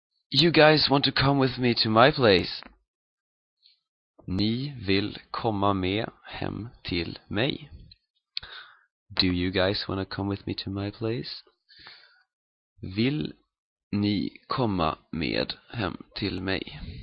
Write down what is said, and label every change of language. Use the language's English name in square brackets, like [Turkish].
[English] You guys want to come with me to my place? [Swedish] Ni vill komma med hem till mig. [English] Do you guys want to come with me to my place? [Swedish] Vill ni komma med hem till mig?